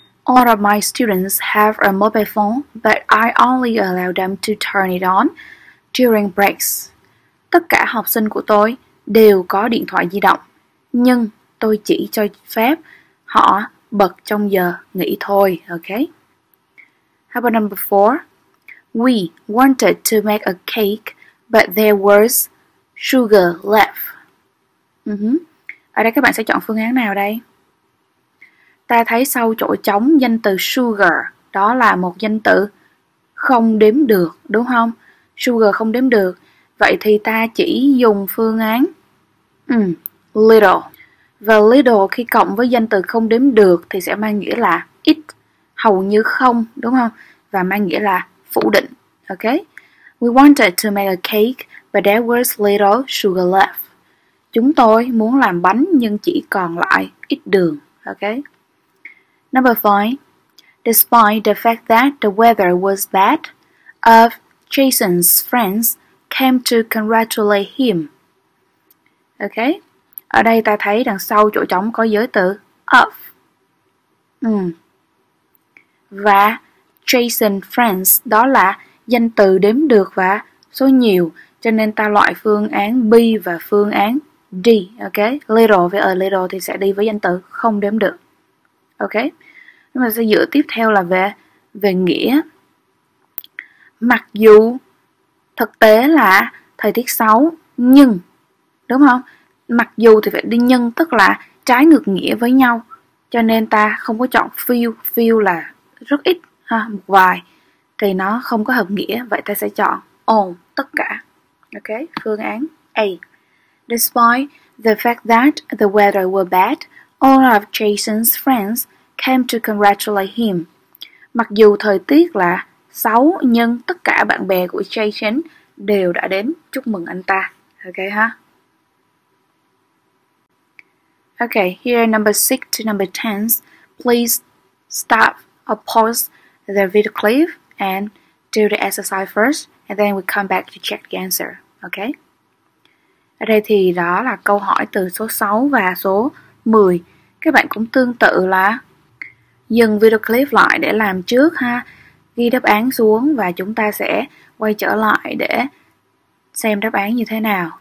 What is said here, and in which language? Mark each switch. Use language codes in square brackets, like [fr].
[en] All of my students have a mobile phone, but I only allow them to turn it on during breaks. [vi] Tất cả học sinh của tôi đều có điện thoại di động, nhưng tôi chỉ cho phép họ bật trong giờ nghỉ thôi. [en] Ok. How about number four? We wanted to make a cake, but there was sugar left. [vi] Ở đây các bạn sẽ chọn phương án nào đây? Ta thấy sau chỗ trống danh từ sugar, đó là một danh từ không đếm được, đúng không? Sugar không đếm được. Vậy thì ta chỉ dùng phương án little. Và little khi cộng với danh từ không đếm được thì sẽ mang nghĩa là ít, hầu như không, đúng không? Và mang nghĩa là phủ định. Ok. [en] We wanted to make a cake, but there was little sugar left. [vi] Chúng tôi muốn làm bánh nhưng chỉ còn lại ít đường. [en] Ok. Number 5. Despite the fact that the weather was bad, of Jason's friends came to congratulate him. Ok. [vi] Ở đây ta thấy đằng sau chỗ trống có giới từ of. Và Jason's friends đó là danh từ đếm được và số nhiều, cho nên ta loại phương án B và phương án D. Ok. Little với a little thì sẽ đi với danh từ không đếm được. Ok. Chúng ta sẽ dựa tiếp theo là về nghĩa. Mặc dù thực tế là thời tiết xấu, nhưng, đúng không? Mặc dù thì phải đi nhân, tức là trái ngược nghĩa với nhau. Cho nên ta không có chọn few. Few là rất ít ha, một vài. Thì nó không có hợp nghĩa. Vậy ta sẽ chọn all, tất cả. Ok, phương án A. [en] Despite the fact that the weather were bad, all of Jason's friends came to congratulate him. [vi] Mặc dù thời tiết là xấu, nhưng tất cả bạn bè của Jason đều đã đến chúc mừng anh ta. Ok ha. [en] Ok, here number 6 to number 10. Please stop or pause the video clip and do the exercise first, and then we come back to check the answer. Ok. [vi] Ở đây thì đó là câu hỏi từ số 6 và số 10. Các bạn cũng tương tự là dừng video clip lại để làm trước ha, ghi đáp án xuống và chúng ta sẽ quay trở lại để xem đáp án như thế nào.